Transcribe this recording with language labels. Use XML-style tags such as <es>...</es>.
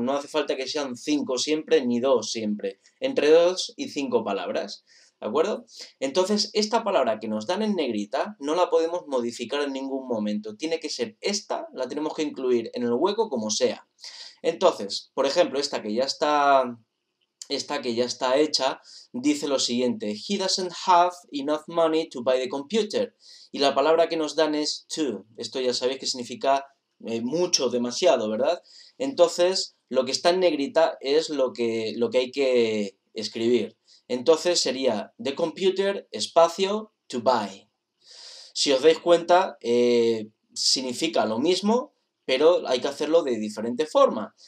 <es>No hace falta que sean 5 siempre, ni 2 siempre. Entre 2 y 5 palabras, ¿de acuerdo? Entonces, esta palabra que nos dan en negrita no la podemos modificar en ningún momento. Tiene que ser esta, la tenemos que incluir en el hueco como sea. Entonces, por ejemplo, esta que ya está hecha, dice lo siguiente.</es> <en>He doesn't have enough money to buy the computer.</en> <es>Y la palabra que nos dan es to. Esto ya sabéis que significa mucho, demasiado, ¿verdad? Entonces, lo que está en negrita es lo que hay que escribir. Entonces sería</es> <en>the computer,</en> <es>espacio,</es> <en>to buy.</en> <es>Si os dais cuenta, significa lo mismo, pero hay que hacerlo de diferente forma.</es>